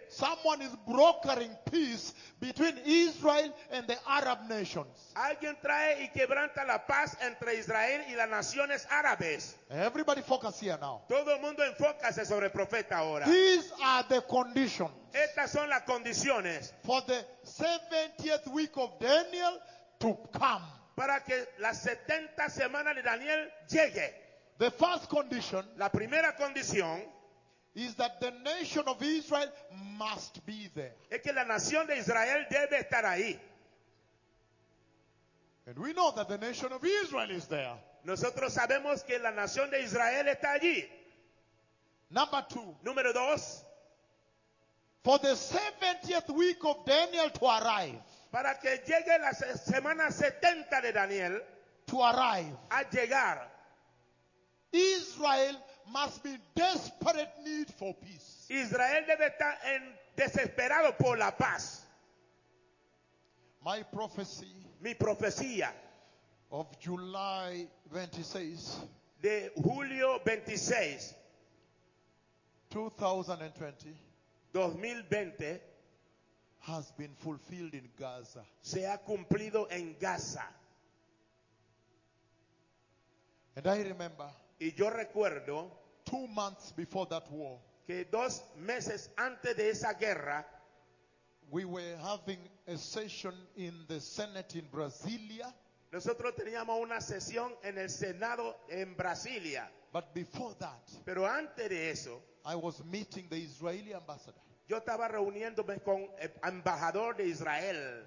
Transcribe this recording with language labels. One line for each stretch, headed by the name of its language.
English: someone is brokering peace between Israel and the Arab nations.
Spanish: Alguien trae y quebranta la paz entre Israel y las naciones árabes.
English: Everybody focus here now.
Spanish: Todo el mundo enfócase sobre el profeta ahora.
English: These are the conditions.
Spanish: Estas son las condiciones.
English: For the 70th week of Daniel to come.
Spanish: Para que la 70 semana de Daniel llegue.
English: The first condition,
Spanish: la primera condición,
English: is that the nation of Israel must be there.
Spanish: Es que la nación de Israel debe estar ahí.
English: And we know that the nation of Israel is there.
Spanish: Nosotros sabemos que la nación de Israel está allí.
English: Number two,
Spanish: número dos,
English: for the 70th week of Daniel to arrive.
Spanish: Para que llegue la semana 70 de Daniel,
English: to arrive,
Spanish: a llegar.
English: Israel must be in desperate need for peace.
Spanish: Israel debe estar en desesperado por la paz.
English: My prophecy,
Spanish: mi profecía,
English: of July 26,
Spanish: de julio 26, 2020, 2020,
English: has been fulfilled in Gaza.
Spanish: Se ha cumplido en Gaza.
English: And I remember,
Spanish: y yo recuerdo,
English: 2 months before that war,
Spanish: que 2 meses antes de esa guerra,
English: we were having a session in the Senate in Brasilia.
Spanish: Nosotros teníamos una sesión en el Senado en Brasilia.
English: But before that,
Spanish: pero antes de eso,
English: I was meeting the Israeli ambassador.
Spanish: Yo estaba reuniéndome con el embajador de Israel.